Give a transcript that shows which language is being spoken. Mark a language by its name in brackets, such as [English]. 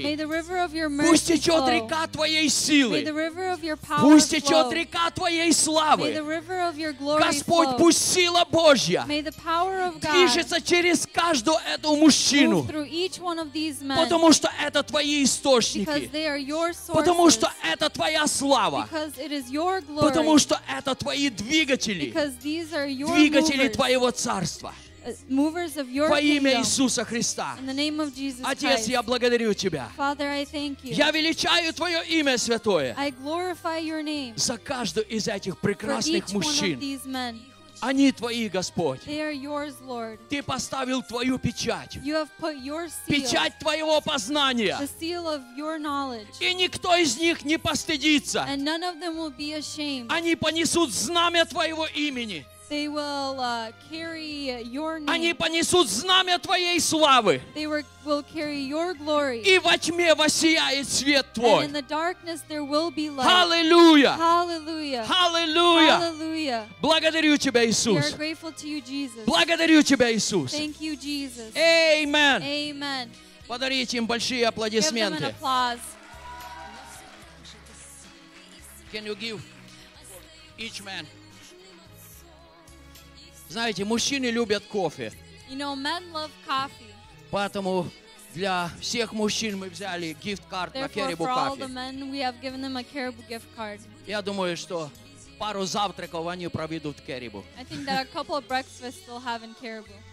[English] May the river of your mercy [Russian] Пусть течет [English] flow. [Russian] Река Твоей силы. [English] May the river of your power [Russian] Пусть течет Река Твоей славы. [English] May the river of your glory [Russian] Господь, [English] flow. [Russian] Пусть сила Божья [English] May the power of God [Russian] движется через каждого этого мужчину. [English] Move through each one of these men. [Russian] Потому что это Твои источники. [English] Because they are your sources. [Russian] Потому что это Твоя слава. [English] Because it is your glory. [Russian] Потому что это Твои двигатели. [English] Because these are your [Russian] двигатели [English] movers, [Russian] Твоего Царства [English] movers of your [Russian] во имя Иисуса Христа. [English] In the name of Jesus [Russian] Отец, [English] Christ. [Russian] Я благодарю Тебя. [English] Father, I thank you. [Russian] Я величаю Твое имя Святое [English] I glorify your name [Russian] за каждого из этих прекрасных [English] for each [Russian] мужчин. [English] One of these men. [Russian] Они Твои, Господь. [English] They are yours, Lord. [Russian] Ты поставил Твою печать. [English] You have put your seal, [Russian] печать Твоего познания. [English] The seal of your knowledge. [Russian] И никто из них не постыдится. [English] And none of them will be ashamed. [Russian] Они понесут знамя Твоего имени. [English] They will carry your name. [Russian] Они понесут знамя Твоей славы. [English] They will carry your glory. [Russian] И во тьме воссияет свет Твой. [English] And in the darkness there will be light. Hallelujah. Hallelujah. Hallelujah. Hallelujah. [Russian] Благодарю Тебя, Иисус. [English] We are grateful to you, Jesus. [Russian] Благодарю Тебя, Иисус. [English] Thank you, Jesus. Amen. Amen. [Russian] Подарите им большие аплодисменты. [English] Give them an applause. Can you give each man? [Russian] Знаете, мужчины любят кофе. [English] You know, men love coffee. [Russian] Поэтому для всех мужчин мы взяли гифт-карт на Caribou [English] Therefore, for all the men, we have given them a Caribou gift card. [Russian] Я думаю, что пару завтраков они проведут в Caribou. [English] I think that a couple of breakfasts they'll have in Caribou.